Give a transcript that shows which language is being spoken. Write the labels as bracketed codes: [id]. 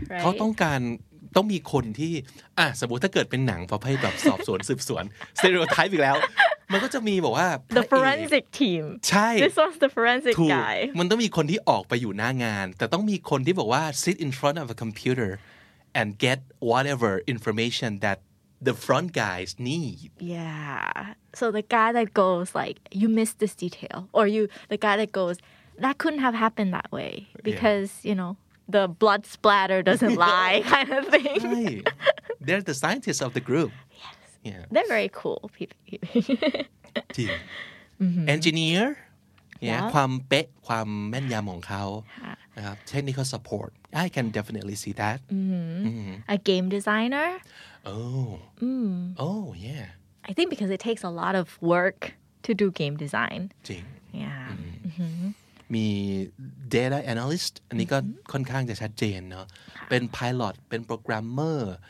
[th] เขาต้องการต้องมีคนที่สมมุติถ้าเกิดเป็นหนังประเภทแบบสอบสวนสืบสวน stereotype อีกแล้วมันก็จะมีบอกว่า [en] The forensic team. [th] ใช่ [en] This was the forensic guy. [th] มันต้องมีคนที่ออกไปอยู่หน้างานแต่ต้องมีคนที่บอกว่า [en] sit in front of a computerAnd get whatever information that the front guys need. Yeah. So the guy that goes like, you missed this detail. Or you, the guy that goes, that couldn't have happened that way. Because, yeah. you know, the blood splatter doesn't lie kind of thing. Right. They're the scientists of the group. Yes. Yeah. They're very cool people. Engineer. Yeah. [th] ความเป๊ะความแม่นยำของเขา [en] Technical support. I can definitely see that. A game designer. Oh. Oh, yeah. I think because it takes a lot of work to do game design. [th] จริง [en] Yeah. [th] มี data analyst. อันนี้ก็ค่อนข้างจะชัดเจนเนาะ เป็น pilot, เป็น programmer.